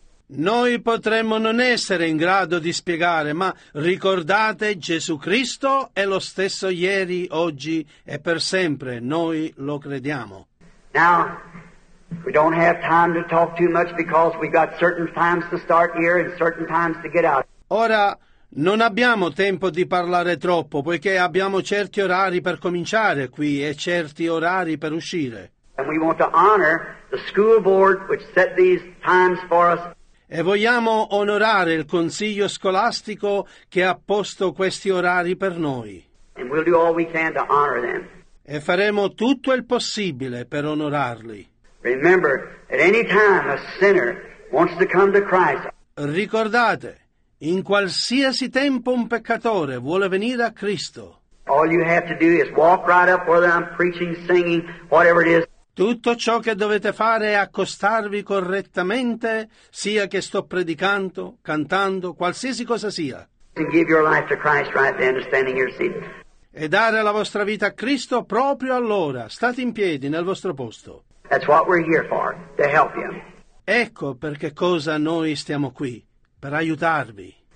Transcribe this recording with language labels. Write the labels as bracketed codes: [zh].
[it] Noi potremmo non essere in grado di spiegare, ma ricordate, Gesù Cristo è lo stesso ieri, oggi e per sempre. Noi lo crediamo. [en] Now, we don't have time to talk too much because we got certain times to start here and certain times to get out. [it] Ora non abbiamo tempo di parlare troppo poiché abbiamo certi orari per cominciare qui e certi orari per uscire. [en] And we want to honor the school board which set these times for us. [it] E vogliamo onorare il consiglio scolastico che ha posto questi orari per noi. [en] And we'll do all we can to honor them. [it] E faremo tutto il possibile per onorarli. [en] Remember, at any time a sinner wants to come to Christ. [it] Ricordate, in qualsiasi tempo un peccatore vuole venire a Cristo. [en] All you have to do is walk right up, whether I'm preaching, singing, whatever it is. [it] Tutto ciò che dovete fare è accostarvi correttamente, sia che sto predicando, cantando, qualsiasi cosa sia. [en] And give your life to Christ right then, standing in your seat. [it] E dare la vostra vita a Cristo proprio allora, state in piedi nel vostro posto. [en] That's what we're here for, to help you. [it] Ecco perché cosa noi stiamo qui, per aiutarvi.